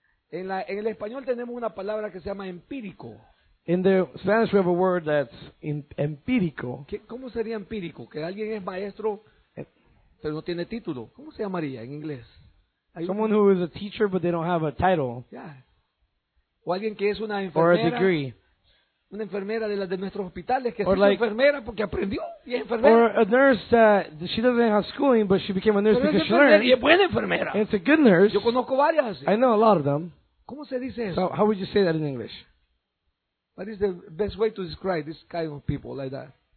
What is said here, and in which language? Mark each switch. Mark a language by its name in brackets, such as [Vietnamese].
[Spanish] En el español tenemos una palabra que se llama empírico. [English] In the Spanish we have a word that's empírico. [Spanish] ¿Cómo sería empírico? Que alguien es maestro, pero no tiene título. ¿Cómo se llamaría en inglés? [English] Someone who is a teacher, but they don't have a title. [Spanish] Yeah. O alguien que es una enfermera. [English] Or a degree. [Spanish] Una enfermera de las de nuestros hospitales que es enfermera porque aprendió y es enfermera. [English] Or a nurse that she doesn't have schooling but she became a nurse because she learned. [Spanish] Y es buena enfermera. [English] And it's a good nurse. [Spanish] Yo conozco varias así. [English] I know a lot of them. [Spanish] ¿Cómo se dice eso? [English] So how would you say that in English? What is the best way to describe this kind of people like that?